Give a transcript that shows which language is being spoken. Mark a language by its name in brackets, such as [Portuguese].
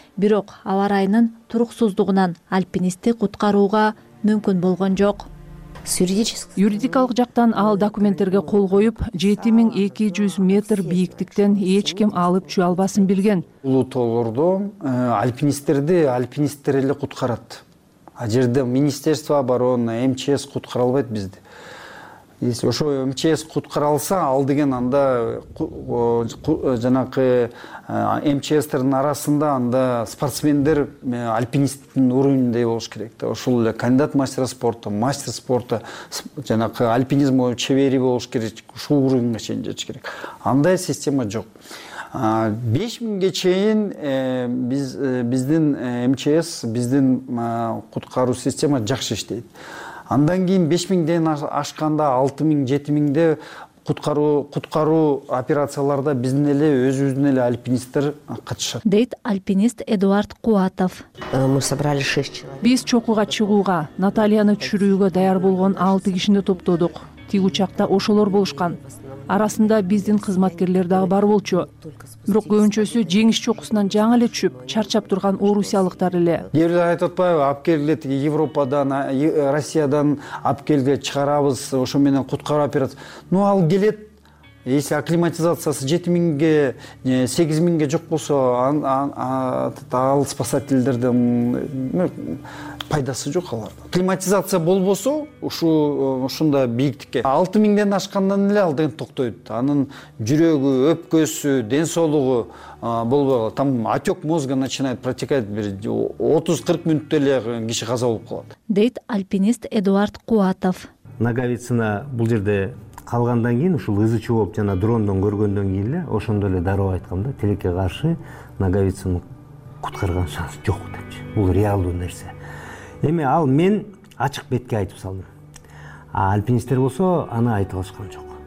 [Kyrgyz] Бирок аба ырайынын туруксуздугунан альпинистти куткарууга мүмкүн болгон жок. Юридикалык жактан ал документтерге кол коюп 7200 метр бийиктиктен эч ким алып түшө албасын билген. Улуу тоолордо альпинисттер эле куткарат. А жерде Министерство обороны, МЧС куткара албайт бизди. Если ошо МЧС куткара алса, ал деген анда жанакы МЧС-тердин арасында анда спортсмендер альпинисттин уровундай болуш керек да. Ошол эле кандидат мастер спорта жанакы альпинизм боюнча чебери болуш керек, ушул уровунга чейин жетиш керек. Андай система жок. 5000ге чейин биздин МЧС, биздин куткаруу система жакшы иштейт. Андан кийин 5000ден ашканда 6000-7000де куткаруу операцияларда биздин эле өзүбүздүн эле альпинисттер катышат. Дейт альпинист Эдуард Куатов. [Russian] Мы собрали 6 человек. [Kyrgyz] Биз чокууга чыгууга, Натальяны түшүрүүгө даяр болгон 6 кишини топтодук. Тиги учакта ошолор болушкан. Арасында биздин кызматкерлер дагы бар болчу. Бирок көбүнчөсү жеңиш чокусунан жаңы эле түшүп, чарчап турган орусиялыктар эле. Кээ бирлер айтып атпайбы, алып келгиле тиги Европадан, Россиядан алып келгиле чыгарабыз, ошо менен куткаруу операция. Ну ал келет. Если акклиматизациясы 7000ге, 8000ге жок болсо, ал спасательдерден пайдасы жок аларда. Климатизация болбосо ушундай бийиктикке 6000ден ашкандан эле ал деген токтойт. Анын жүрөгү, өпкөсү, ден соолугу болбой калат. [Russian] Там отек мозга начинает протекать, [Kyrgyz] бир 30-40 мүнөттө эле киши каза болуп калат. Дейт альпинист Эдуард Куатов. Наговицина бул жерде калгандан кийин ушул ызы чуу болуп жана дрондон көргөндөн кийин эле ошондой эле дароо айткам да, тилекке каршы Наговицина куткарган шанс жок депчи. Бул реалдуу нерсе. Эми ал мен ачык бетке айтып салдым. А альпинисттер болсо аны айтып алышкан жок.